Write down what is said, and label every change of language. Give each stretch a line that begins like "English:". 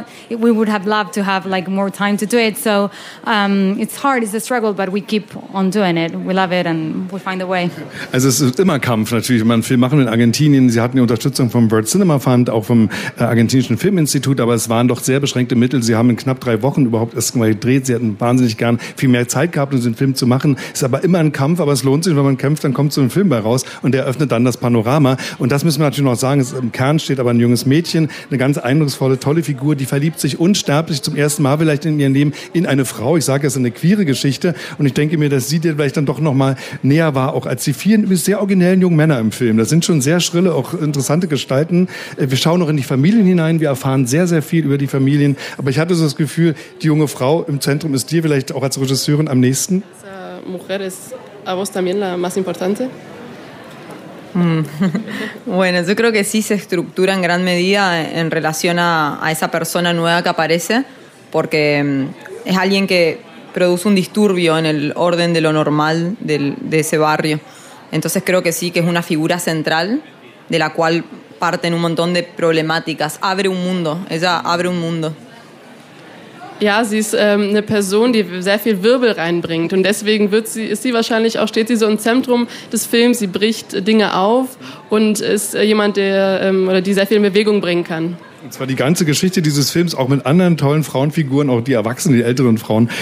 English: We would have loved to have like more time to do it. So it's hard, it's a struggle, but we keep on doing it. We love it and we find a way.
German: Also es ist immer Kampf natürlich, wenn man einen Film machen will. In Argentinien, sie hatten die Unterstützung vom World Cinema Fund, auch vom argentinischen Filminstitut, aber es waren doch sehr beschränkte Mittel. Sie haben in knapp 3 Wochen überhaupt erst mal gedreht. Sie hätten wahnsinnig gern viel mehr Zeit gehabt, um den Film zu machen. Es ist aber immer ein Kampf, aber es lohnt sich, wenn man kämpft, dann kommt so ein Film bei raus und der öffnet dann das Panorama. Und das müssen wir natürlich noch sagen, im Kern steht aber ein junges Mädchen, eine ganz eindrucksvolle, tolle Figur, die verliebt sich unsterblich zum ersten Mal vielleicht in ihrem Leben in eine Frau. Ich sage, es ist eine queere Geschichte und ich denke mir, dass sie dir vielleicht dann doch noch mal näher war, auch als die vielen sehr originellen jungen Männer im Film. Das sind schon sehr schrille, auch interessante Gestalten. Wir schauen auch in die Familien hinein, wir erfahren sehr, sehr viel über die Familien. Aber ich hatte so das Gefühl, die junge Frau im Zentrum ist dir vielleicht auch als Regisseurin am nächsten.
Spanish: Diese Mujer ist a vos también la más importante. Bueno, yo creo que sí se estructura en gran medida en relación a esa persona nueva que aparece, porque es alguien que produce un disturbio en el orden de lo normal de ese barrio. Entonces creo que sí que es una figura central de la cual parten un montón de problemáticas. Abre un mundo, ella abre un mundo.
German: Ja, sie ist eine Person, die sehr viel Wirbel reinbringt und deswegen steht sie so im Zentrum des Films. Sie bricht Dinge auf und ist jemand, die sehr viel in Bewegung bringen kann. Und zwar die ganze Geschichte dieses Films, auch mit anderen tollen Frauenfiguren, auch die Erwachsenen, die älteren Frauen.